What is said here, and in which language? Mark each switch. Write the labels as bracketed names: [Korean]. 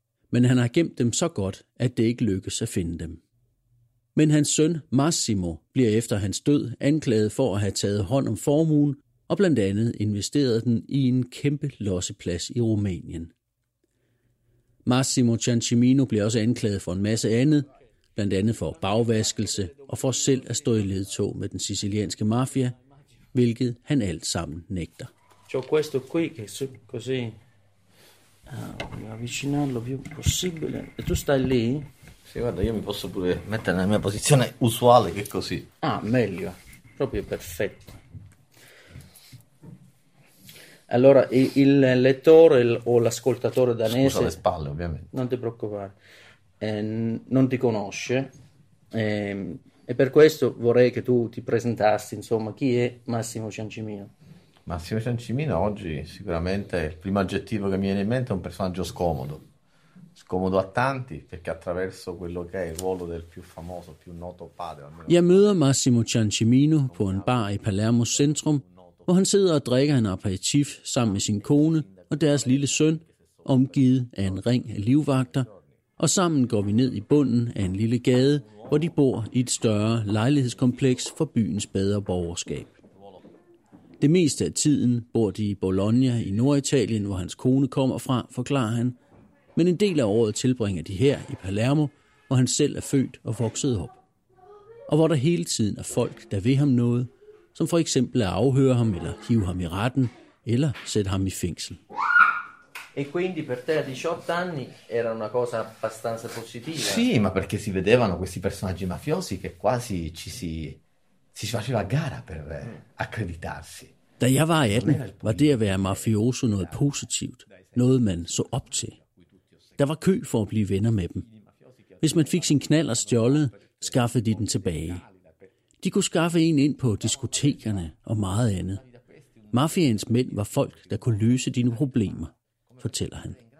[Danish] Men han har gemt dem så godt, at det ikke lykkes at finde dem. Men hans søn Massimo bliver efter hans død anklaget for at have taget hånd om formuen og blandt andet investeret den i en kæmpe losseplads i Rumænien. Massimo Ciancimino bliver også anklaget for en masse andet, blandt andet for bagvaskelse og for selv at stå i ledtog med den sicilianske mafia, hvilket han alt sammen nægter. [Italian] C'ho questo qui che così avvicinarlo più possibile. E tu stai lì? Sì, guarda, io mi posso pure mettere nella mia posizione usuale che così. Ah, meglio. Proprio perfetto. Allora, il lettore o l'ascoltatore danese... Scusa le spalle, ovviamente. Non ti preoccupare. Non ti conosce. E per questo vorrei che tu ti presentassi, insomma, chi è Massimo Ciancimino. Massimo Ciancimino oggi sicuramente il primo aggettivo che mi viene in mente è un personaggio scomodo. Scomodo a tanti, perché attraverso quello che è il ruolo del più famoso, più noto padre... [Danish] Jeg møder Massimo Ciancimino på en bar i Palermo Centrum, hvor han sidder og drikker en aperitif sammen med sin kone og deres lille søn, omgivet af en ring af livvagter, og sammen går vi ned i bunden af en lille gade, hvor de bor i et større lejlighedskompleks for byens bedre borgerskab. Det meste af tiden bor de i Bologna i Norditalien, hvor hans kone kommer fra, forklarer han, men en del af året tilbringer de her i Palermo, hvor han selv er født og vokset op, og hvor der hele tiden er folk, der vil ham noget, som for eksempel at afhøre ham eller hive ham i retten eller sætte ham i fængsel. [Italian] E quindi per te a 18 anni era una cosa abbastanza positiva. Sì, ma perché si vedevano questi personaggi mafiosi che quasi ci si faceva gara per accreditarsi. [Danish] Da jeg var 18, var det at være mafioso noget positivt, noget man så op til. Der var kø for at blive venner med dem. Hvis man fik sin knaller stjålet, skaffede de den tilbage. De kunne skaffe en ind på diskotekerne og meget andet. Mafiaens mænd var folk, der kunne løse dine problemer, fortæller han.